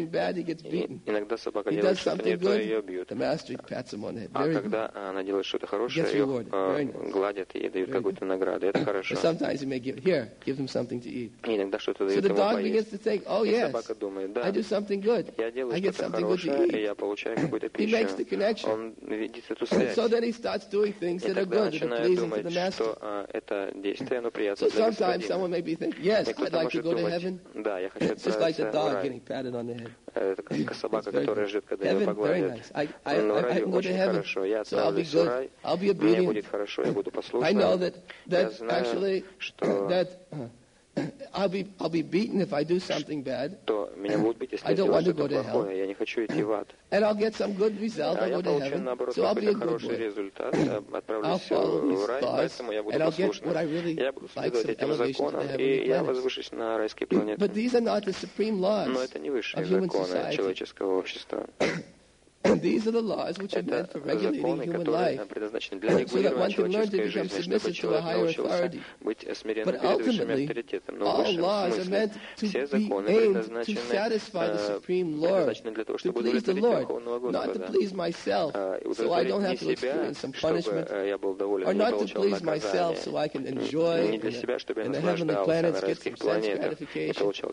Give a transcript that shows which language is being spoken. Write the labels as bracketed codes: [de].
[ru] Иногда собака делает что-то не то, и ее бьют. А когда она делает что-то хорошее, ее гладят и дают какую-то награду. Это хорошо. Иногда что-то дают ему поесть. И собака думает, да, я делаю что-то хорошее, и я получаю какую-то пищу. Он видит [en] So then he starts doing things that are good, that are pleasing to the master. [ru] Это действие, оно приятно для господина. [en] So sometimes someone may be thinking, yes, I'd like to go to heaven. [ru] Да, я хочу [en] It's just like a dog getting patted on the head. [ru] Это как собака, которая ждет, когда ее погладят. Но рай очень хорошо. Я отправлюсь в рай. Мне будет хорошо, я буду послушным. [en] I know that actually that I'll be beaten if I do something bad. I don't want to go to hell. [ru] Я не хочу идти в ад. [en] And I'll get some good result. I'll go to heaven. So I'll be a good boy. I'll follow these laws. And I'll get what I really like. Some elevation to the heavenly planets. [ru] Я возвышусь на райские планеты. [en] But these are not the supreme laws. [ru] Но это не высшие законы человеческого общества. [en] These are the laws which are meant for regulating human life. So that one can learn to become submissive to a higher authority. But ultimately, all laws are meant to be aimed to satisfy the supreme Lord, to please the Lord, not to please myself, so I don't have to experience some punishment, or not to please myself, so I can enjoy in the heavenly planets, get some sense gratification.